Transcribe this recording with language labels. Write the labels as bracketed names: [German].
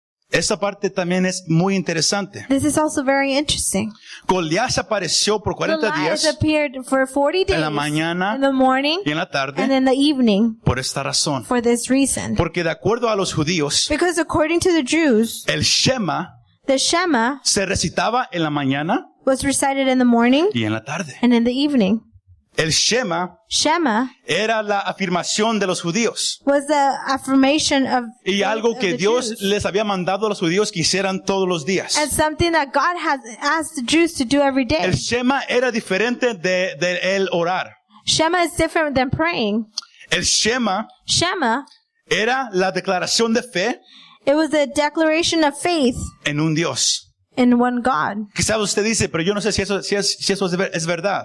[Spanish] Esa parte también es muy interesante. [English] This is also very interesting. [Spanish] Goliath apareció por 40 [English] Goliath [Spanish] días. [English] Goliath appeared for 40 days. [Spanish] En la mañana. [English] In the morning. [Spanish] Y en la tarde. [English] And in the evening. [Spanish] Por esta razón. [English] For this reason. [Spanish] Porque de acuerdo a los judíos. [English] Because according to the Jews. [Spanish] El Shema. [English] The Shema. [Spanish] Se recitaba en la mañana. [English] Was recited in the morning. [Spanish] Y en la tarde. [English] And in the evening. [Spanish] El Shema. [English] Shema. [Spanish] Era la afirmación de los judíos. [English] Was the affirmation of. [Spanish] Y algo que Dios les había mandado a los judíos que hicieran todos los días. [English] And something that God has asked the Jews to do every day. [Spanish] El Shema era diferente de el orar. [English] Shema is different than praying. [Spanish] El Shema. [English] Shema. [Spanish] Era la declaración de fe. [English] It was a declaration of faith. [Spanish] En un Dios. [English] In one God. [Spanish] Quizás usted dice, pero yo no sé si eso es verdad.